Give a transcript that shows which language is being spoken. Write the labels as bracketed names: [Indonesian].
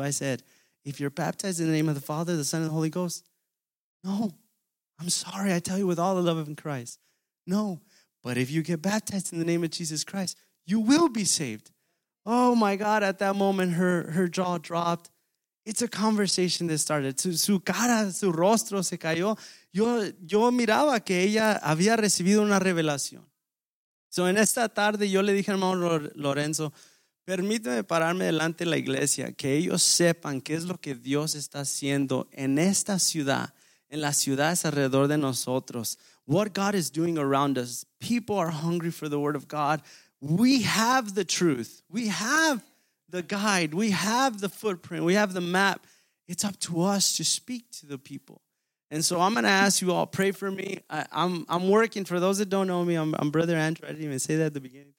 [English] I said, if you're baptized in the name of the Father, the Son, and the Holy Ghost, no. I'm sorry, I tell you with all the love of Christ. No. But if you get baptized in the name of Jesus Christ, you will be saved. Oh my God, at that moment, her jaw dropped. It's a conversation that started. [Spanish] Su cara, su rostro se cayó. Yo miraba que ella había recibido una revelación. So en esta tarde, yo le dije al hermano Lorenzo, permíteme pararme delante de la iglesia, que ellos sepan qué es lo que Dios está haciendo en esta ciudad, en las ciudades alrededor de nosotros. [English] What God is doing around us. People are hungry for the word of God. We have the truth. We have the guide. We have the footprint. We have the map. It's up to us to speak to the people. And so I'm going to ask you all, pray for me. I'm working. For those that don't know me, I'm Brother Andrew. I didn't even say that at the beginning.